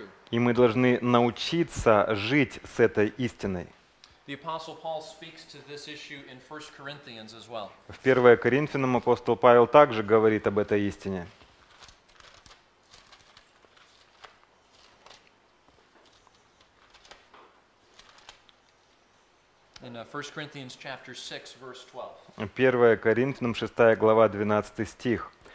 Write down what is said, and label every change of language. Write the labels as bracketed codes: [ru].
[ru] И мы должны научиться жить с этой истиной. [en] The apostle Paul speaks to this issue in 1 Corinthians as well. [ru] В 1 Коринфянам апостол Павел также говорит об этой истине. [en] In 1 Corinthians chapter 6 verse 12. [ru] 1 Коринфянам 6 глава 12 стих.